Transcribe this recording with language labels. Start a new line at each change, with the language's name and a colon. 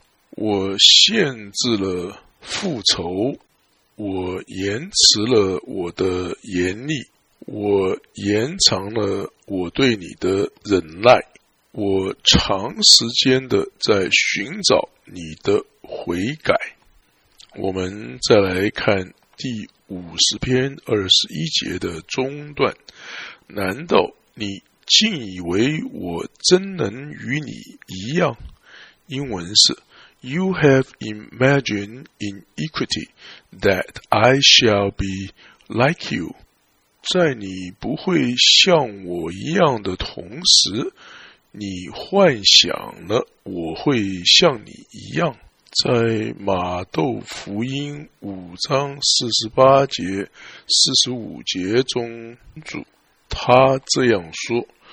Chinese: 我限制了复仇，我延迟了我的严厉，我延长了我对你的忍耐，我长时间的在寻找你的悔改。我们再来看第50篇21节的中段，难道你竟以为我真能与你一样？英文是
English: You have imagined in equity that I shall be like you。
Chinese: 在你不会像我一样的同时，你幻想了我会像你一样。在马窦福音五章四十八节、四十五节中，主他这样说。